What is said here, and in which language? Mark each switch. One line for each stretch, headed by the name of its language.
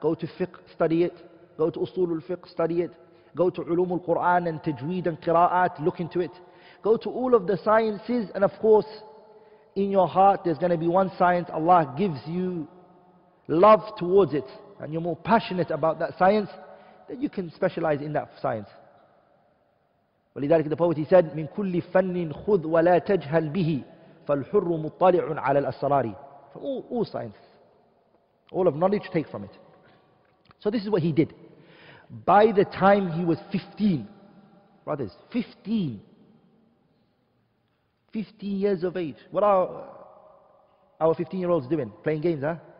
English: Go to fiqh, study it. Go to usul al-fiqh, study it. Go to ulum al-Quran and tajweed and qira'at, look into it. Go to all of the sciences, and of course, in your heart, there's going to be one science. Allah gives you love towards it, and you're more passionate about that science, then you can specialize in that science.
Arabic: ولذلك
English: the poet, he said,
Arabic: من كل فن خذ ولا تجهل به فالحر مطلع على الأسرار.
English: All science, all of knowledge, take from it. So this is what he did. By the time he was 15, brothers, 15, 15 years of age. What are our 15-year-olds doing? Playing games, huh?